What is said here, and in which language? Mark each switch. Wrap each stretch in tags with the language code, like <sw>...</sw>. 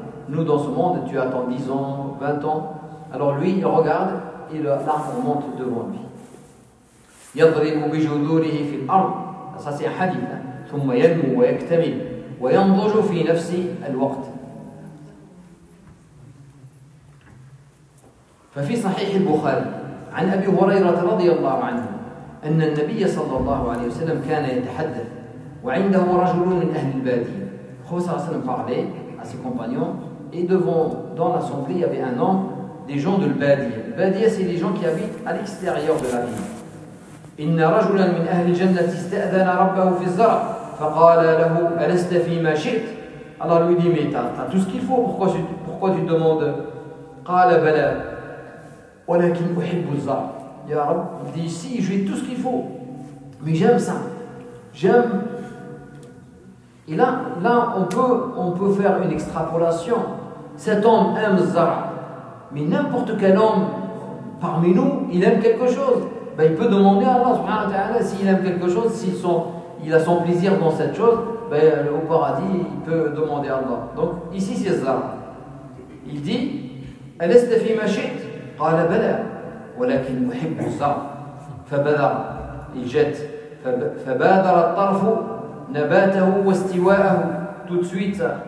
<fr>Nous dans ce monde, tu attends 10 ans, 20 ans, alors lui il regarde et l'arbre monte devant lui.</fr> <ar>يَضْرِبُ بِجُدُورِهِ فِي الْأَرْضِ.</ar> <fr>Ça c'est un hadith.</fr> <ar>ثم ينمو ويكتمل وينضج في نفسي الوقت. ففي صحيح البخاري عن أبي هريرة رضي الله عنه أن النبي صلى الله عليه وسلم كان يتحدث وعنده رجل من أهل البادية. خوصة صلى الله عليه وسلم</ar> <fr>à ses compagnons et devant dans l'assemblée avait un homme des gens de البادية. البادية c'est les gens qui habitent à l'extérieur de la ville.</fr> <ar>إن رجلا من أهل الجنة استأذن ربه في الزرع فقال له ألست فيما شئت.</ar> <fr>Alors lui dit, mais t'as tout ce qu'il faut, pourquoi tu demandes?</fr> <ar>قال بلى ولكن أحب الزرع. يا رب,</ar> <fr>il dit, si, j'ai tout ce qu'il faut, mais j'aime ça, j'aime. Et là on peut faire une extrapolation. Cet homme aime le zara, mais n'importe quel homme parmi nous, il aime quelque chose. Il peut demander à Allah subhanahu wa ta'ala s'il aime quelque chose, s'il a son plaisir dans cette chose, au paradis, il peut demander à Allah. Donc ici c'est ça. Il dit,</fr> <ar>أَلَسْتَ فِي مَا شِئْتَ قَالَ بَلَى وَلَكِنْ أُحِبُّ الزَّرْعَ فَبَذَرَ.</ar> <fr>Il jette.</fr> <ar>فَبَادَرَ الطَّرْفُ نَبَاتَهُ وَاسْتِوَاءَهُ</ar> <fr>tout de suite.</fr>